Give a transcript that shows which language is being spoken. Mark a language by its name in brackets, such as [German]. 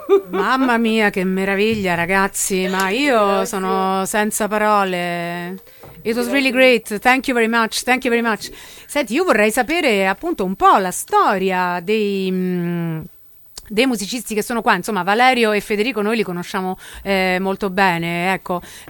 [Italian] Mamma mia, che meraviglia, ragazzi, ma io grazie. Sono senza parole. [English] It was really great, thank you very much, thank you very much. [Italian] Senti, io vorrei sapere appunto un po' la storia dei musicisti che sono qua. Insomma, Valerio e Federico noi li conosciamo molto bene, ecco.